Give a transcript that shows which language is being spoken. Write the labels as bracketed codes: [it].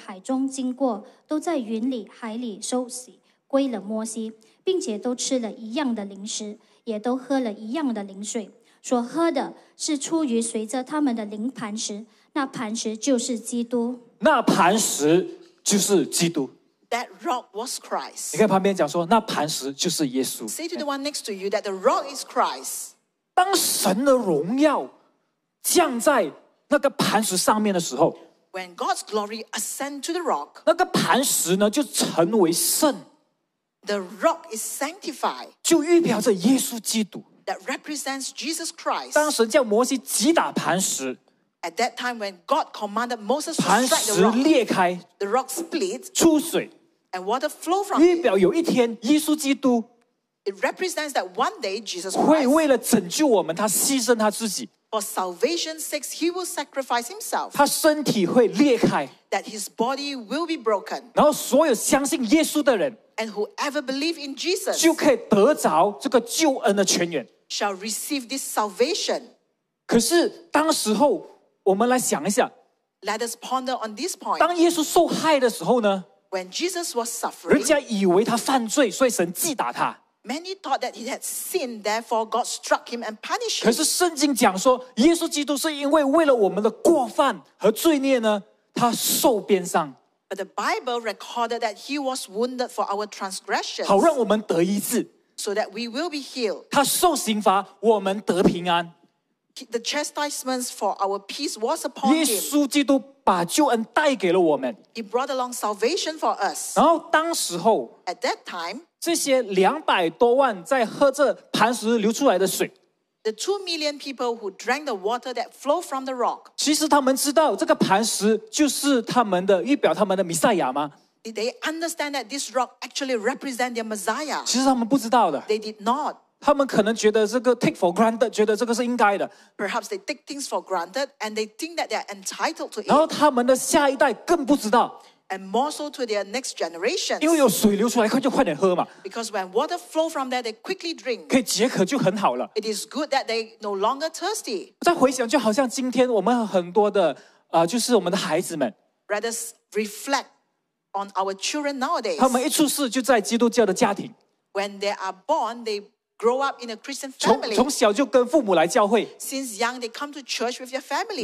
[zh] 弟兄们,我不愿意你们不晓得,我们的祖宗从前都在云下,都从海中经过,都在云里海里休息。归了摩西，并且都吃了一样的灵食，也都喝了一样的灵水，说喝的是出于随着他们的灵磐石，那磐石就是基督。那磐石就是基督。 [en] That rock was Christ. [zh] 你看旁边讲说，那磐石就是耶稣。 [en] Say to the one next to you that the rock is Christ. [zh] 当神的荣耀降在那个磐石上面的时候， [en] when God's glory ascend to the rock, [zh] 那个磐石呢就成为圣。 [en] The rock is sanctified. [zh] 就预表着耶稣基督。 [en] That represents Jesus Christ. [zh] 当神叫摩西击打磐石。 [en] At that time when God commanded Moses to strike the rock. [zh] 磐石裂开。 [en] The rock split. [zh] 出水。 [en] And water flow from it. [zh] 预表有一天耶稣基督。 [en] It represents that one day Jesus Christ. [zh] 会为了拯救我们他牺牲他自己。 [en] For salvation's sake, he will sacrifice himself. [zh] 他身体会裂开。 [en] That his body will be broken. [zh] 然后所有相信耶稣的人。 [en] And whoever believes in Jesus [zh] 就可以得着这个救恩的泉源, [en] shall receive this salvation. [zh] 可是当时候我们来想一下, [en] let us ponder on this point. [zh] 当耶稣受害的时候呢, [en] when Jesus was suffering, [zh] 人家以为他犯罪, 所以神击打他。 [en] Many thought that he had sinned, therefore God struck him and punished him. [zh] 可是圣经讲说, 耶稣基督是因为为了我们的过犯和罪孽呢, 他受鞭伤。 [en] But the Bible recorded that he was wounded for our transgressions. [zh] 好让我们得医治, [en] so that we will be healed. [zh] 他受刑罚, 我们得平安。 [en] The chastisements for our peace was upon [zh] 耶稣基督把救恩带给了我们。 [en] He brought along salvation for us. [zh] 然后当时候, [en] at that time, [zh] 这些200多万在喝这磐石流出来的水。 [en] The 2 million people who drank the water that flowed from the rock. [zh] 其实他们知道这个磐石就是他们的，预表他们的弥赛亚吗？ [en] Did they understand that this rock actually represent their Messiah? [zh] 其实他们不知道的。 [en] They did not. [zh] 他们可能觉得这个 [en] take for granted, [zh] 觉得这个是应该的。 [en] Perhaps they take things for granted and they think that they are entitled to it. [zh] 然后他们的下一代更不知道。 [en] And more so to their next generation. [zh] 因为有水流出来，快就快点喝嘛。 [en] Because when water flow from there, they quickly drink. [zh] 可以解渴就很好了。 [en] It is good that they no longer thirsty. [zh] 再回想，就好像今天我们很多的就是我们的孩子们。 [en] Let us reflect. On our children nowadays, [zh] 他们一出世就在基督教的家庭。 [en] When they are born, they grow up in a Christian family. [zh] 从小就跟父母来教会。 [en] Since young, they come to church with their family.